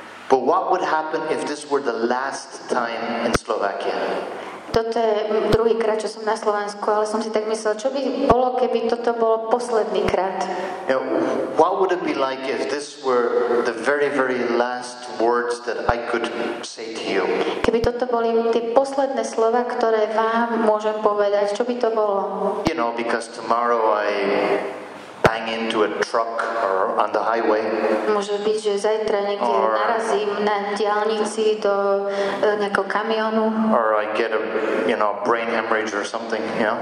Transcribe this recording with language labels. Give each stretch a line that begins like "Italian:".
English: But what would happen if this were the last time in Slovakia?
Slovak: Toto je druhý krát, čo som na Slovensku, ale som si tak myslel, čo by bolo, keby toto bolo posledný krát?
English: You know, what would it be like if this were the very, very last words that I could say to you?
Slovak: Keby toto boli tie posledné slova, ktoré vám môžem povedať, čo by to bolo?
English: You know, because tomorrow I... bang into a truck or on the highway.
Slovak: Môže byť, že zajtra niekde narazím na diaľnici do nejakého kamionu.
English: Or I get a, you know, brain hemorrhage or something, you know.